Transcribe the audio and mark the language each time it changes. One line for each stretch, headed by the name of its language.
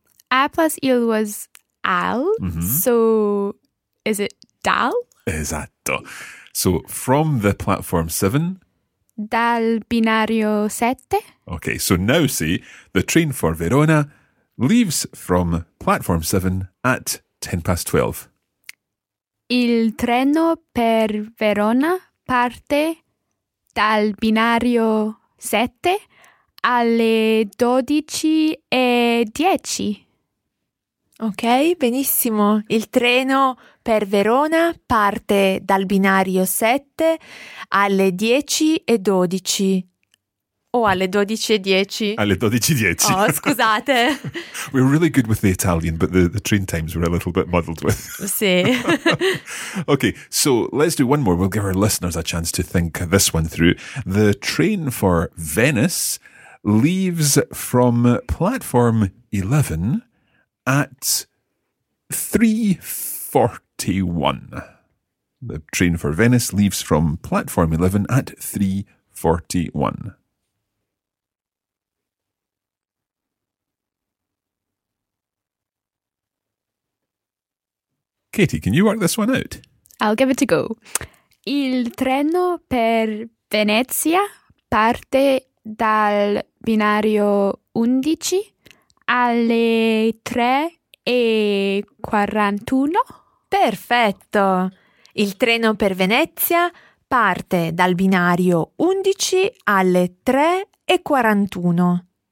English: A plus il was al, mm-hmm. So is it dal?
Italian: Esatto.
English: So from the platform 7.
Italian: Dal binario 7.
English: Okay, so now see, the train for Verona leaves from platform 7 at 10 past 12.
Italian: Il treno per Verona parte dal binario 7 alle 12:10. Ok, benissimo. Il treno per Verona parte dal binario 7 alle 10:12. O alle 12:10. Alle 12:10. Oh, scusate.
English: We're really good with the Italian, but the train times were a little bit muddled with.
Italian: Sì.
English: Okay, so let's do one more. We'll give our listeners a chance to think this one through. The train for Venice leaves from platform 11 at 3:41. The train for Venice leaves from platform 11 at 3:41. Katie, can you work this one out? I'll give it a go.
Italian: Il treno per Venezia parte dal binario 11 alle 3:41. Perfetto! Il treno per Venezia parte dal binario 11 alle 3:41.